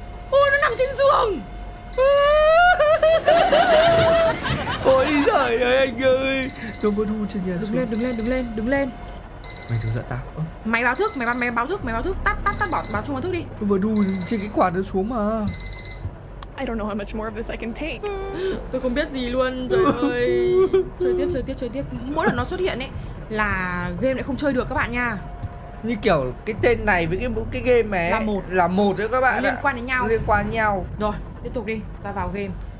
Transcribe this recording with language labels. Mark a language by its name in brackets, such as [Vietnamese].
[Vietnamese] Ôi, nó nằm trên giường! Ôi giời ơi anh ơi! Tôi có thu trên nhà xuống. Đứng lên. Mày đừng giận tao. Mày báo thức, mày báo thức. Tắt, báo chung báo thức đi. Tôi vừa đu trên cái quạt nó xuống mà. [English] I don't know how much more of this I can take. [Vietnamese] Tôi không biết gì luôn, trời ơi. Chơi tiếp. Mỗi lần nó xuất hiện ấy là game lại không chơi được các bạn nha. Như kiểu cái tên này với cái game này Là một đấy các bạn. Liên quan đến nhau. Liên quan nhau. Rồi, tiếp tục đi, ta vào game.